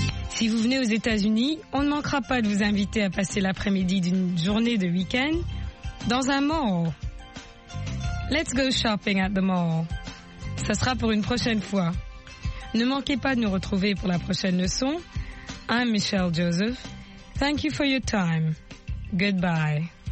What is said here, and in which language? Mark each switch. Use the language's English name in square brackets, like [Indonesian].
[French] Si vous venez aux États-Unis, on ne manquera pas de vous inviter à passer l'après-midi d'une journée de week-end dans un mall. [English] Let's go shopping at the mall. [French] Ça sera pour une prochaine fois. Ne manquez pas de nous retrouver pour la prochaine leçon. [English] I'm Michelle Joseph. Thank you for your time. Goodbye.